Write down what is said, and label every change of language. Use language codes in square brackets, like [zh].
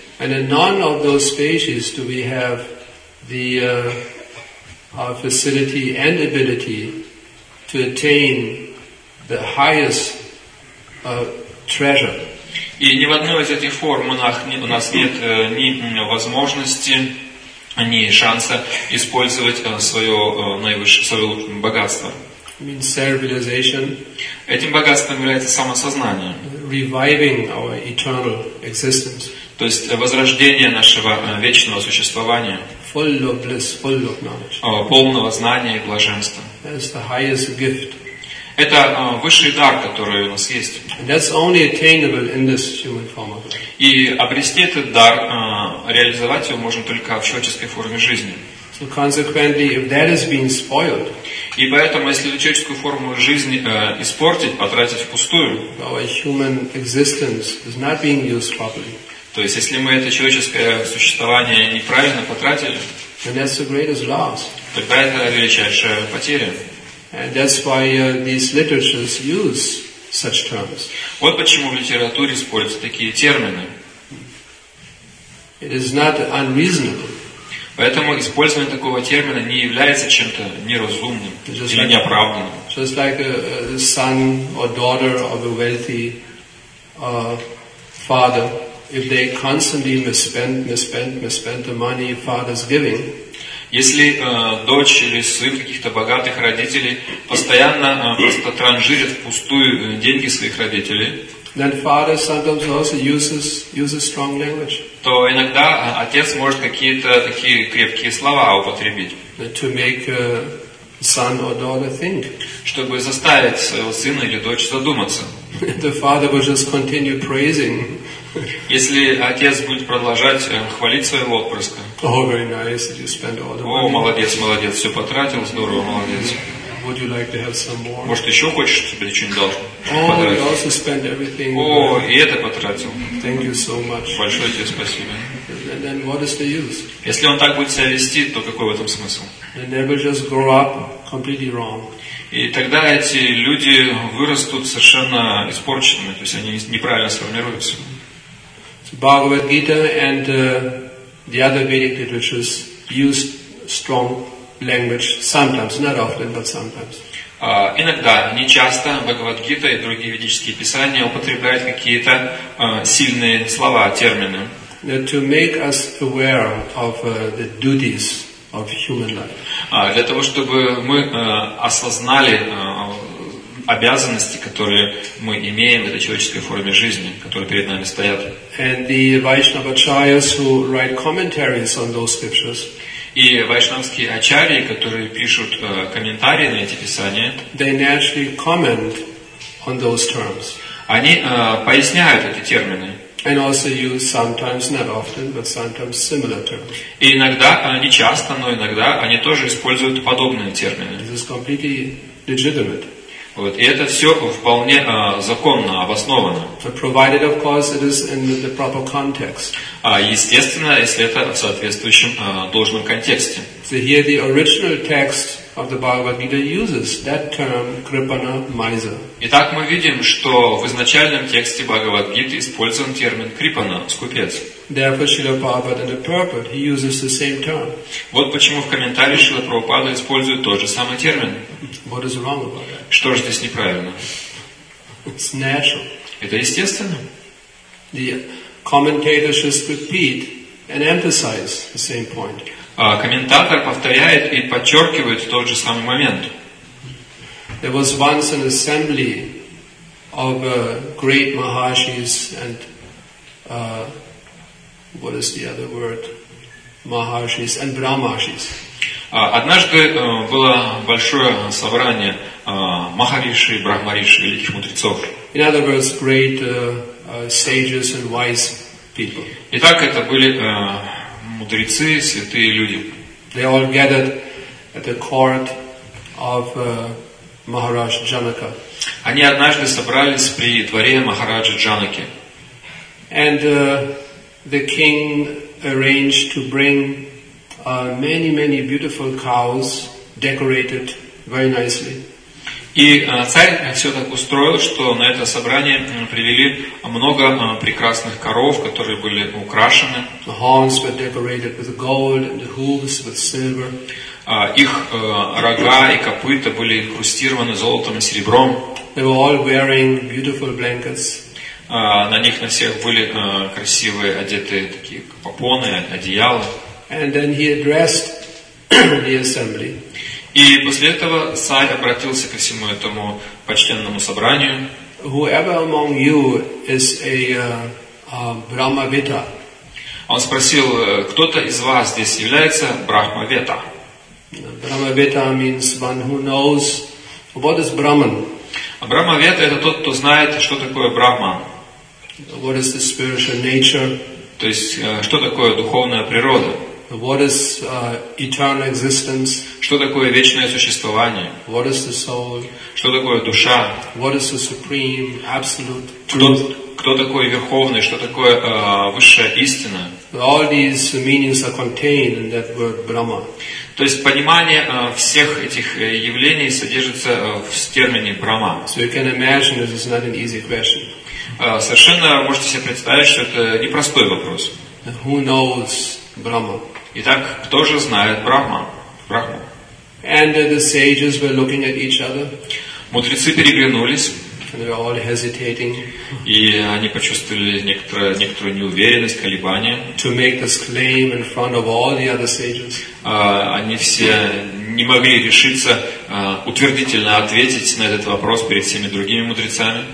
[en] And in none of those species do we have the our facility and ability to attain the highest treasure. [ru] И ни в одной из этих форм у нас нет ни возможности, ни шанса использовать свое богатство. Этим богатством является самосознание. [en] Reviving our eternal existence. [ru] То есть возрождение нашего вечного существования. [en] Full of bliss, full of knowledge. [ru] Полного знания и блаженства. [en] That's the highest gift. [ru] Это высший дар, который у нас есть. [en] And that's only attainable in this human form of life. [ru] И обрести этот дар, реализовать его можно только в человеческой форме жизни. [en] So consequently, if that is being spoiled, [ru] и поэтому, если человеческую форму жизни испортить, потратить впустую, [en] our human existence is not being used properly. [ru] То есть, если мы это человеческое существование неправильно потратили, [en] then that's the greatest loss. [ru] Тогда это величайшая потеря. [en] And that's why these literatures use such terms. [ru] Вот почему в литературе используются такие термины. [en] It is not unreasonable. [ru] Поэтому использование такого термина не является чем-то неразумным [en] just [ru] или неоправданным. [en] Just like a son or daughter of a wealthy father, if they constantly misspend the money father's giving. [ru] Если дочь или сын каких-то богатых родителей постоянно просто транжирит впустую деньги своих родителей, [en] then father sometimes also uses strong language. [ru] То иногда отец может какие-то такие крепкие слова употребить. [en] To make son or daughter think. [ru] Чтобы заставить своего сына или дочь задуматься. [en] The father will just continue praising. [ru] Если отец будет продолжать хвалить своего отпрыска. [en] Oh, very nice. You spend all the money. [ru] О, молодец, молодец, все потратил, здорово, молодец. [en] Would you like to have some more? [ru] Может, еще хочешь, чтобы я что-нибудь должен? [en] Oh, you also spend everything. [ru] О, и это потратил. [en] Thank you so much. [ru] Большое тебе спасибо. [en] And then what is the use? [ru] Если он так будет себя вести, то какой в этом смысл? [en] And they will just grow up completely wrong. [ru] И тогда эти люди вырастут совершенно испорченными, то есть они неправильно сформируются. [en] Bhagavad Gita and the other Vedic literatures use strong language sometimes, not often, but sometimes. [ru] Иногда, не часто, Бхагавад Гита и другие ведические писания употребляют какие-то сильные слова, термины. [en] To make us aware of the duties of human life. [ru] Для того, чтобы мы осознали обязанности, которые мы имеем в этой человеческой форме жизни, которые перед нами стоят. [en] And the Vaishnavacharyas who write commentaries on those scriptures. [ru] И вайшнавские ачарьи, которые пишут комментарии на эти писания. [en] They naturally comment on those terms. [ru] Они поясняют эти термины. [en] And also use sometimes, not often, but sometimes similar terms. [ru] И иногда, не часто, но иногда они тоже используют подобные термины. [en] This is completely legitimate. [ru] Вот. И это все вполне законно, обосновано. [en] But provided, of course, it is in the proper context. [ru] Естественно, если это в соответствующем должном контексте. [en] So here the original text of the Bhagavad Gita uses that term, Kripana Miser. [ru] Итак, мы видим, что в изначальном тексте Бхагавад Гиты использован термин Крипана, скупец. [en] Therefore, Srila Prabhupada in the purport, he uses the same term. [ru] Вот почему в комментарии Шрила Прабхупада использует тот же самый термин. [en] What is wrong about that? [ru] Что же здесь неправильно? [en] It's natural. [ru] Это естественно. [en] The commentator should repeat and emphasize the same point. [ru] Комментатор повторяет и подчеркивает тот же самый момент. [en] There was once an assembly of great maharshis and what is the other word? Maharshis and brahmarshis. [ru] Однажды было большое собрание махариши, брахмариши, великих мудрецов. [en] In other words, great sages and wise people. [ru] Итак, это были мудрецы, святые люди. [en] They all gathered at the court of [ru] Махарадж Джанака. Они однажды собрались при дворе Махараджа Джанаки. [en] And the king arranged to bring many, many beautiful cows decorated very nicely. [ru] И царь все так устроил, что на это собрание привели много прекрасных коров, которые были украшены. [en] The horns were decorated with gold and the hooves with silver. [ru] Их рога и копыта были инкрустированы золотом и серебром. [en] They were all wearing beautiful blankets. [ru] На них на всех были красивые одетые такие попоны, одеяла. [en] And then he addressed the assembly. [ru] И после этого царь обратился ко всему этому почтенному собранию. [en] Whoever among you is a Brahmaveta. [ru] Он спросил, кто-то из вас здесь является Брахмавета? [en] Brahmaveta means one who knows what is Brahman. [ru] А Брахмавета — это тот, кто знает, что такое Брахман. [en] What is the spiritual nature? [ru] То есть, что такое духовная природа? [en] What is eternal existence? [ru] Что такое вечное существование? [en] What is the soul? [ru] Что такое душа? [en] What is the supreme, absolute truth? [ru] Кто такой верховный? Что такое высшая истина? [en] All these meanings are contained in that word Brahma. [ru] То есть понимание всех этих явлений содержится в термине Брахма. [en] So you can imagine this is not an easy question. [ru] Совершенно можете себе представить, что это непростой вопрос. [en] Who knows Brahma? [ru] Итак, кто же знает Брахму? [en] And the sages were looking at each other. [ru] Мудрецы переглянулись. [en] And they were all hesitating. [ru] И они почувствовали некоторую неуверенность, колебание. [en] To make this claim in front of all the other sages. [ru] Они все не могли решиться утвердительно ответить на этот вопрос перед всеми другими мудрецами.